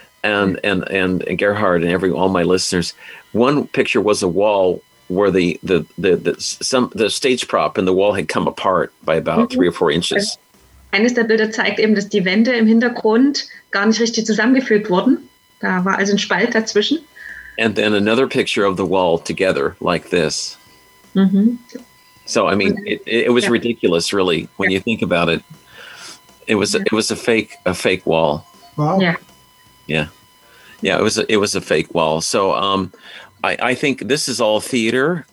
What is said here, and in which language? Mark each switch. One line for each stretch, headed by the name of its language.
English: And Gerhard and all my listeners, one picture was a wall where the stage prop in the wall had come apart by about mm-hmm. 3 or 4 inches.
German: Eines der Bilder zeigt eben, dass die Wände im Hintergrund gar nicht richtig zusammengefügt wurden. Da war also ein Spalt dazwischen.
English: And then another picture of the wall together, like this. Mm-hmm. So, I mean, it was ridiculous, really, when you think about it. It was a fake wall. Wow. Yeah, it was a fake wall. So I think this is all theater.